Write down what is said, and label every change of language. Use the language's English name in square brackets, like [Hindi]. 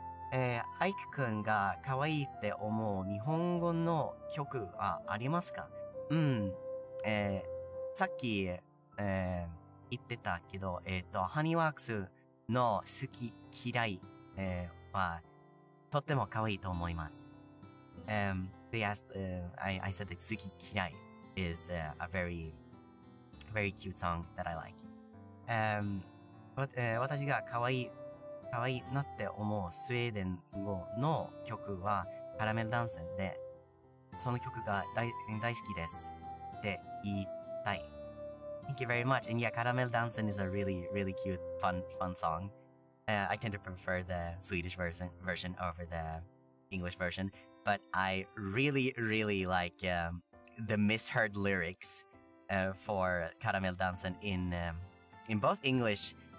[Japanese] アイクくんが可愛いって思う日本語の曲はありますか？さっき、言ってたけど、ハニーワークスの好き嫌い、はとっても可愛いと思います。 [English] They asked, I said that 好き嫌い is a very, very cute song that I like. [Japanese] 私が可愛いなって思うスウェーデン語の曲はカラメルダンスで、その曲が大好きですって言いたい。 [English] Thank you very much. And yeah, カラメルダンス is a really, really cute, fun song. I tend to prefer the Swedish version over the English version. But I really, really like the misheard lyrics for カラメルダンス in both English.